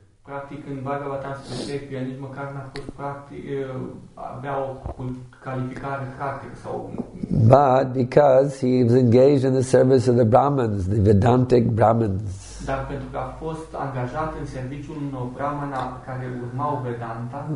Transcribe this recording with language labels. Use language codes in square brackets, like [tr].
[ro] Practic, în Bhagavatam se spune că nici măcar n-a fost practic, avea o calificare practică sau. [en] But because he was engaged in the service of the Brahmins, the Vedantic Brahmins. [ro] Dar pentru că a fost angajat în serviciul unor brahmana care urmau Vedanta.